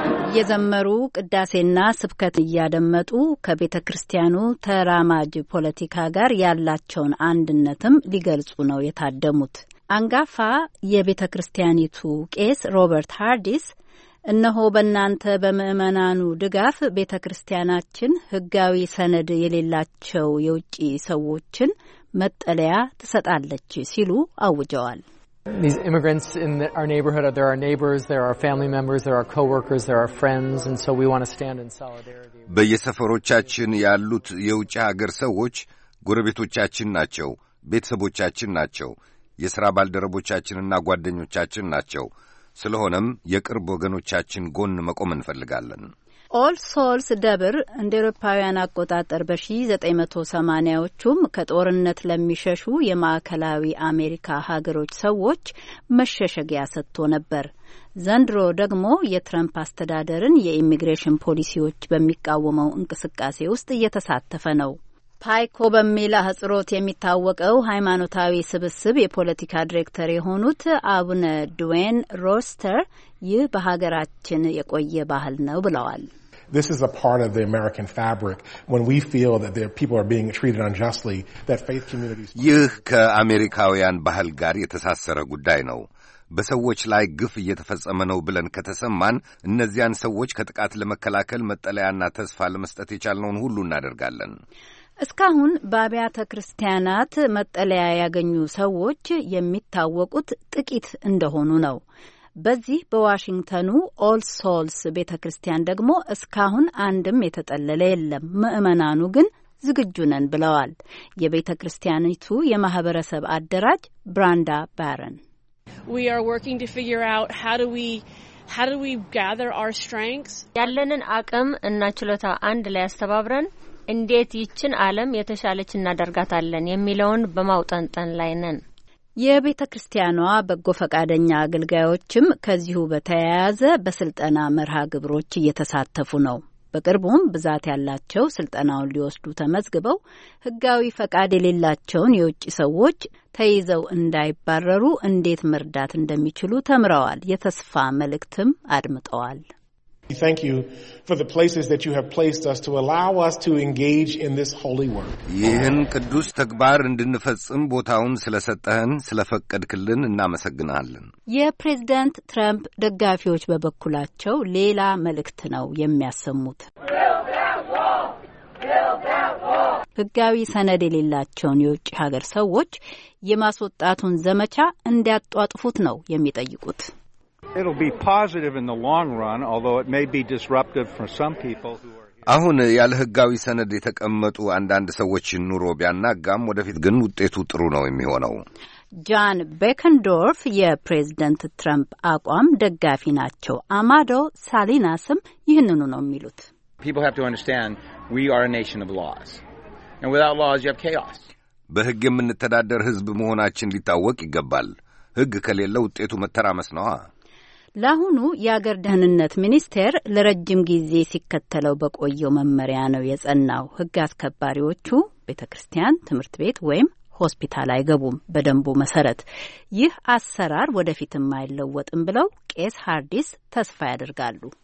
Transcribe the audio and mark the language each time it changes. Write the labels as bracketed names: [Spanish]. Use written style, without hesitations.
[Amharic] እየዘመሩ ቅዳሴና ስብከት እያደመጡ ከቤተ ክርስቲያኑ ተራማጅ ፖለቲካ ጋር ያላቸውን አንድነትም ሊገልጹ ነው የታደሙት። አንጋፋ የቤተ ክርስቲያኒቱ ቄስ ሮበርት ሃርዲስ እነሆ በእናንተ በምዕመናኑ ድጋፍ ቤተ ክርስቲያናችን ህጋዊ ሰነድ የሌላቸው የውጭ ሰዎችን መጠለያ ትሰጣለች ሲሉ አውጀዋል። [English] These immigrants in our neighborhood, there are neighbors, there are family members, there are coworkers, there are friends, and so we want to stand in solidarity. [Amharic] በየሰፈሮቻችን ያሉት የውጭ ሀገር ሰዎች ጎረቤቶቻችን ናቸው፣ ቤተሰቦቻችን ናቸው፣ የሥራ ባልደረቦቻችንና ጓደኞቻችን ናቸው። ስለሆነም የቅርብ ወገኖቻችን ጎን መቆም እንፈልጋለን። ኦል ሶልስ ደብር እንደ አውሮፓውያን አቆጣጠር በ1980ዎቹም ከጦርነት ለሚሸሹ የማዕከላዊ አሜሪካ ሀገሮች ሰዎች መሸሸጊያ ሰጥቶ ነበር። ዘንድሮ ደግሞ የትራምፕ አስተዳደርን የኢሚግሬሽን ፖሊሲዎች በሚቃወሙ እንቅስቃሴ ውስጥ እየተሳተፈ ነው። ፓይኮ በሚል አጽሮት የሚታወቀው ሃይማኖታዊ ስብስብ የፖለቲካ ዲሬክተር የሆኑት አቡነ ድዌን ሮስተር ይህ በሀገራችን የቆየ ባህል ነው ብለዋል። [English] This is a part of the American fabric when we feel that their people are being treated unjustly that faith communities [Amharic] ይህ ከአሜሪካውያን ባህል ጋር የተሳሰረ ጉዳይ ነው። በሰዎች ላይ ግፍ እየተፈጸመ ነው ብለን ከተሰማን እነዚያን ሰዎች ከጥቃት ለመከላከል መጠለያና ተስፋ ለመስጠት የቻልነውን ሁሉ እናደርጋለን። እስካሁን በአብያተ ክርስቲያናት መጠለያ ያገኙ ሰዎች የሚታወቁት ጥቂት እንደሆኑ ነው። በዚህ በዋሽንግተኑ ኦል ሶልስ ቤተ ክርስቲያን ደግሞ እስካሁን አንድም የተጠለለ የለም። ምዕመናኑ ግን ዝግጁ ነን ብለዋል። የቤተ ክርስቲያኒቱ የማህበረሰብ አደራጅ ብራንዳ ባረን [English] We are working to figure out how do we gather our strengths? [Amharic] ያለንን አቅም እና ችሎታ አንድ ላይ አስተባብረን እንዴት ይችን ዓለም የተሻለች እናደርጋታለን የሚለውን በማውጠንጠን ላይ ነን። የቤተ ክርስቲያኗ በጎ ፈቃደኛ አገልጋዮችም ከዚሁ በተያያዘ በስልጠና መርሃ ግብሮች እየተሳተፉ ነው። በቅርቡም ብዛት ያላቸው ስልጠናውን ሊወስዱ ተመዝግበው ህጋዊ ፈቃድ የሌላቸውን የውጭ ሰዎች ተይዘው እንዳይባረሩ እንዴት መርዳት እንደሚችሉ ተምረዋል። የተስፋ መልእክትም አድምጠዋል። [English] We thank you for the places that you have placed us to allow us to engage in this holy work. [Amharic] ይህን ቅዱስ ተግባር እንድንፈጽም ቦታውን ስለሰጠህን ስለፈቀድክልን እናመሰግናለን። የፕሬዝዳንት ትራምፕ ደጋፊዎች በበኩላቸው ሌላ መልእክት ነው የሚያሰሙት። ህጋዊ ሰነድ የሌላቸውን የውጭ ሀገር ሰዎች የማስወጣቱን ዘመቻ እንዲያጧጥፉት ነው የሚጠይቁት። [English] It'll be positive in the long run, although it may be disruptive for some people who are here. [Amharic] አሁን ያለ ህጋዊ ሰነድ የተቀመጡ አንዳንድ ሰዎች ኑሮ ቢያናጋም ወደፊት ግን ውጤቱ ጥሩ ነው የሚሆነው። ጃን ቤከንዶርፍ የፕሬዝደንት ትራምፕ አቋም ደጋፊ ናቸው። አማዶ ሳሊናስም ይህንኑ ነው የሚሉት። [English] People have to understand we are a nation of laws. And without laws you have chaos. [Amharic] በህግ የምንተዳደር ህዝብ መሆናችን ሊታወቅ ይገባል። ህግ ከሌለ ውጤቱ መተራመስ ነው። ለአሁኑ የአገር ደህንነት ሚኒስቴር ለረጅም ጊዜ ሲከተለው በቆየው መመሪያ ነው የጸናው። ህግ አስከባሪዎቹ ቤተ ክርስቲያን፣ ትምህርት ቤት ወይም ሆስፒታል አይገቡም በደንቡ መሰረት። ይህ አሰራር ወደፊትም አይለወጥም ብለው ቄስ ሃርዲስ ተስፋ ያደርጋሉ።